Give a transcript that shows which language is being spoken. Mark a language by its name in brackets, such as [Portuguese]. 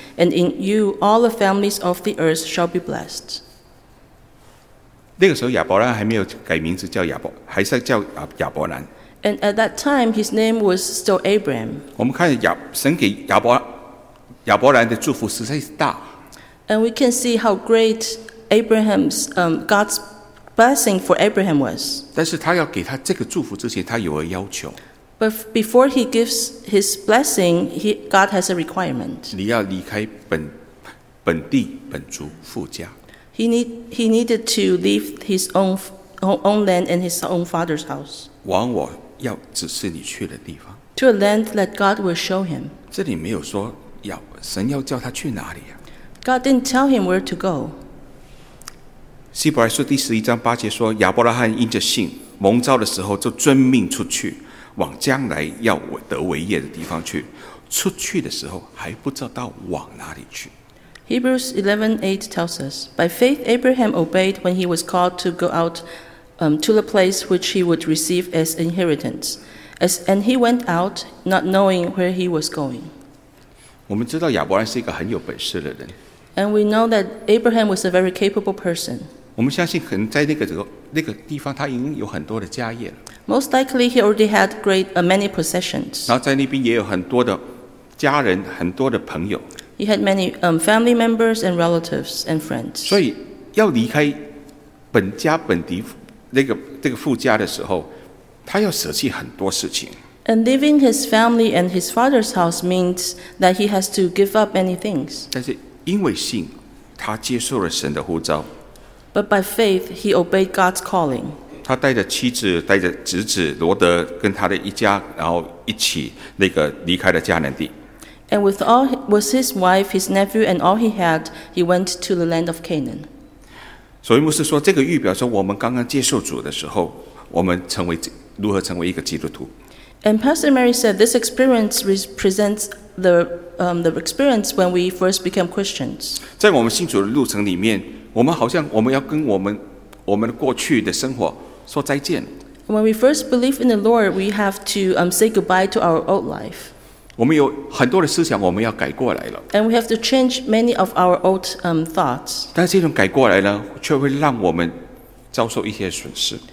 [English] And in you all the families of the earth shall be blessed. [Chinese] 那个时候亚伯兰还没有改名字叫亚伯，还是叫亚伯兰。 [English] And at that time, his name was still Abraham. [Chinese] 我们看神给亚伯兰的祝福实在是大。 [English] And we can see how great Abraham's God's blessing for Abraham was. [Chinese] 但是他要给他这个祝福之前，他有个要求。 [English] But before he gives his blessing, God has a requirement. [Chinese] 你要离开本地本族父家。 [English] He needed to leave his own land and his own father's house. [Chinese] 往我要指示你去的地方。 [English] To a land that God will show him. [Chinese] 这里没有说神要叫他去哪里啊。 [English] God didn't tell him where to go. [Chinese] 希伯来书第十一章八节说，亚伯拉罕因着信，蒙召的时候就遵命出去，往将来要得为业的地方去。出去的时候还不知道到往哪里去。 [English] Hebrews 11:8 tells us, By faith Abraham obeyed when he was called to go out to the place which he would receive as inheritance. And he went out, not knowing where he was going. [Chinese] 我们知道亚伯兰是一个很有本事的人。 [English] And we know that Abraham was a very capable person. [Chinese] 我们相信可能在那个地方他已经有很多的家业了。 [English] Most likely he already had many possessions. [Chinese] 然后在那边也有很多的家人，很多的朋友。 [English] He had many family members and relatives and friends. [Chinese] 所以要离开本家本地这个父家的时候，他要舍弃很多事情。 [English] And leaving his family and his father's house means that he has to give up many things. [Chinese] 但是因为信，他接受了神的呼召。 [English] But by faith, he obeyed God's calling. [Chinese] 他带着妻子，带着侄子罗德，跟他的一家，然后一起离开了迦南地。 [English] And with all was his wife, his nephew, and all he had, he went to the land of Canaan. [Chinese] 所以牧师说，这个预表说，我们刚刚接受主的时候，我们如何成为一个基督徒 [English] And Pastor Mary said this experience represents the experience when we first became Christians. [Chinese] 在我们信主的路程里面，我们好像我们要跟我们过去的生活说再见。 [English] When we first believe in the Lord, we have to say goodbye to our old life. [Chinese] 我们有很多的思想我们要改过来了。 [English] And we have to change many of our old thoughts. [Chinese] 但这种改过来呢，却会让我们遭受一些损失。